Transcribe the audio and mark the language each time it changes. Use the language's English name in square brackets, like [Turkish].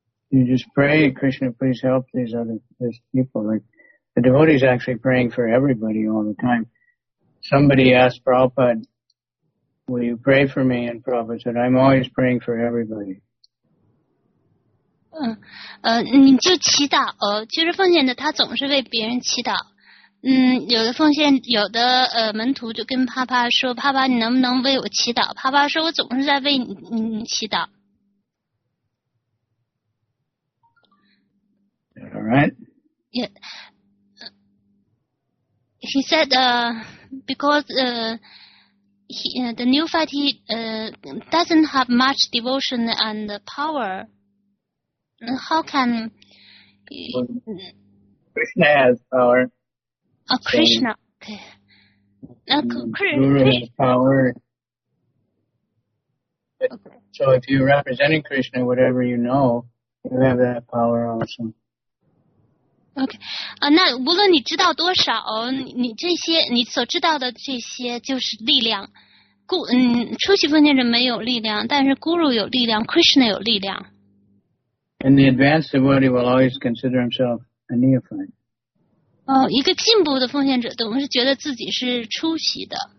[English] You just pray, Krishna, please help these other these people. Like, the devotee is actually praying for everybody all the time. Somebody asked Prabhupada, will you pray for me? And Prabhupada said, I'm always praying for everybody. [Chinese] 你就祈祷，就是奉献的他总是为别人祈祷。有的奉献，有的门徒就跟帕帕说，帕帕你能不能为我祈祷？帕帕说，我总是在为 你祈祷。 [English] Alright. Yeah. He said, because the neophyte doesn't have much devotion and power. How can Krishna has power? Oh, Krishna. So, okay. Now, Guru has power. Okay. So if you're representing Krishna, whatever you know, you have that power also. [Chinese] OK, 那无论你知道多少，你这些你所知道的这些就是力量。初级奉献者没有力量，但是 Guru 有力量， Krishna 有力量。 [English] And the advanced devotee will always consider himself a neophyte. [Chinese] 一个进步的奉献者总是觉得自己是初级的。